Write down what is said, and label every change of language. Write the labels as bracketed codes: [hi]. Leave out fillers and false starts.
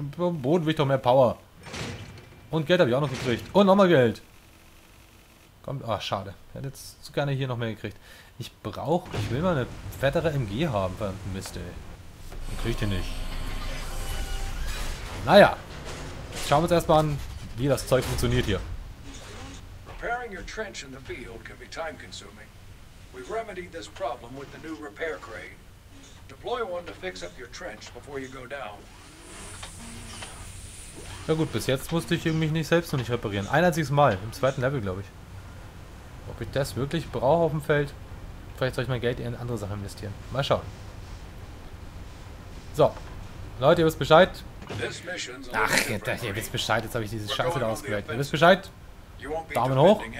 [de] Am Boden will ich doch mehr Power. Und Geld habe ich auch noch gekriegt. Und nochmal Geld. Kommt, ach, schade. Hätte jetzt zu gerne hier noch mehr gekriegt. Ich will mal eine fettere MG haben, verdammt Mist, ey. Dann kriege ich die nicht. Naja. Schauen wir uns erstmal an, wie das Zeug funktioniert hier. [en] Preparing your trench in the field can be time consuming. We've remedied this problem with the new repair crane. Deploy one to fix up your trench before you go down. [de] Ja gut, bis jetzt musste ich irgendwie nicht selbst noch nicht reparieren. Ein einziges Mal, im zweiten Level, glaube ich. Ob ich das wirklich brauche auf dem Feld? Vielleicht soll ich mein Geld eher in andere Sachen investieren. Mal schauen. So. Leute, ihr wisst Bescheid. Ach, ihr wisst Bescheid, jetzt habe ich diese Scheiße da ausgewählt. Ihr wisst Bescheid. Daumen hoch.